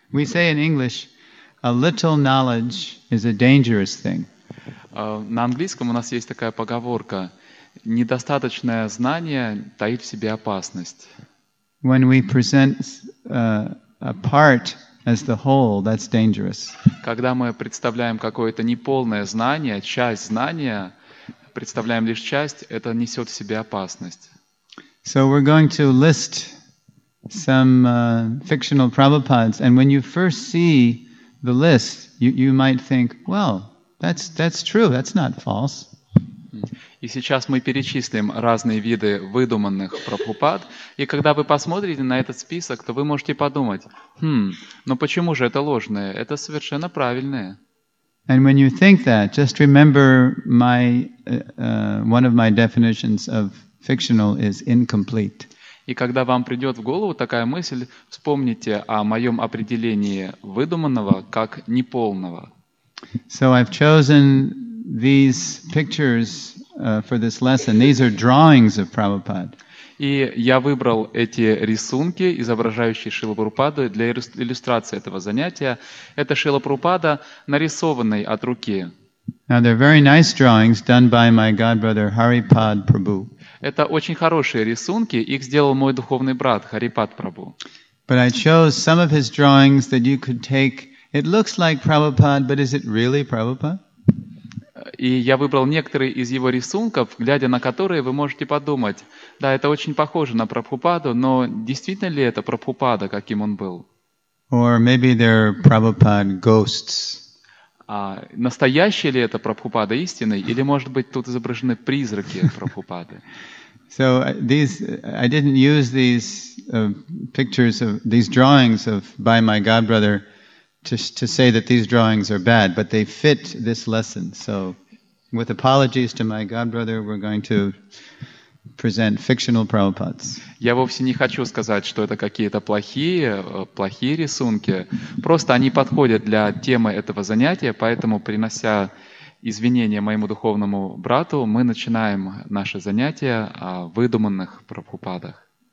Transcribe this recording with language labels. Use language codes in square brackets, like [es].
[en] We say in English, a little knowledge is a dangerous thing. [ru] На английском у нас есть такая поговорка: недостаточное знание таит в себе опасность. [en] When we present a part as the whole, that's dangerous. [ru] Когда мы представляем какое-то неполное знание, часть знания, представляем лишь часть, это несет в себе опасность. [en] So we're going to list some fictional Prabhupadas, and when you first see the list, you might think, well, that's true, that's not false. [ru] И сейчас мы перечислим разные виды выдуманных Прабхупад, и когда вы посмотрите на этот список, то вы можете подумать, но почему же это ложное? Это совершенно правильное. [en] And when you think that, just remember my one of my definitions of fictional is incomplete. [ru] И когда вам придет в голову такая мысль, вспомните о моем определении выдуманного как неполного. [en] So I've chosen these pictures for this lesson. These are drawings of Prabhupada. [ru] И я выбрал эти рисунки, изображающие Шрилу Прабхупаду, для иллюстрации этого занятия. Это Шрила Прабхупада, нарисованный от руки. [en] Now they're very nice drawings done by my godbrother Haripad Prabhu. [ru] Это очень хорошие рисунки, их сделал мой духовный брат Харипад Прабху. [en] But I chose some of his drawings that you could take. It looks like Prabhupada, but is it really Prabhupada? [ru] И я выбрал некоторые из его рисунков, глядя на которые, вы можете подумать, да, это очень похоже на Прабхупаду, но действительно ли это Прабхупада, каким он был? [en] Or maybe they're Prabhupada ghosts. [ru] А настоящий ли это Прабхупада истинный, или, может быть, тут изображены призраки Прабхупады? [en] So I didn't use these pictures of these drawings of by my godbrother to say that these drawings are bad, but they fit this lesson. So, with apologies to my godbrother, we're going to present fictional Prabhupadas. [ru] Я вовсе не хочу сказать, что это какие-то плохие рисунки. Просто они подходят для темы этого занятия, поэтому, принося извинения моему духовному брату, мы начинаем наше занятие о выдуманных Прабхупадах.